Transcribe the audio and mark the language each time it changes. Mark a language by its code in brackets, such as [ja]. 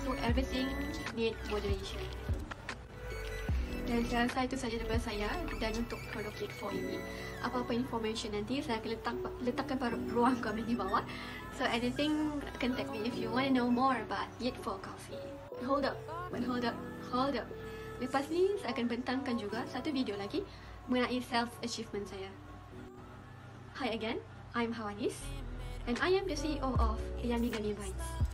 [en] So, everything need moderation. [ms] Dan saya rasa itu sahaja daripada saya dan untuk produk Yit Fo ini. Apa-apa information nanti saya akan letakkan pada ruang komen di bawah. [en] So anything, contact me if you want to know more about Yit Fo Coffee. Hold up. [ms] Lepas ni saya akan bentangkan juga satu video lagi mengenai self-achievement saya. [en] Hi again, I'm Hawanis and I am the CEO of Yummy Gummy Bites.